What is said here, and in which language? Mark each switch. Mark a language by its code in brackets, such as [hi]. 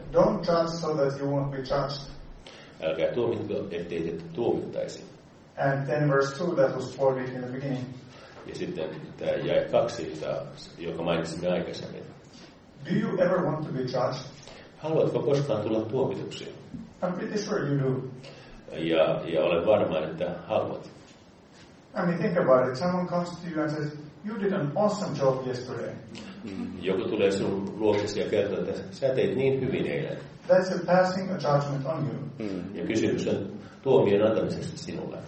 [en] don't judge so that you won't be judged. [fi] Älkää tuomitko, ettei te tuomittaisi. [en] And then verse 2, that was quoted in the beginning. [fi] Ja sitten tämä jäi kaksi, joka mainitsimme aikaisemmin. [en] Do you ever want to be judged? [fi] Haluatko koskaan tulla tuomituksi? [en] I'm pretty sure you do. [fi] Ja olen varma, että haluat. [en] I mean, think about it. Someone comes to you and says, you did an awesome job yesterday. [fi] Joku tulee sinun luokkesi ja kertoo, että sä teit niin hyvin eilen. [en] That's a passing a judgment on you. [fi] Ja kysymys on tuomion antamisesta sinulle.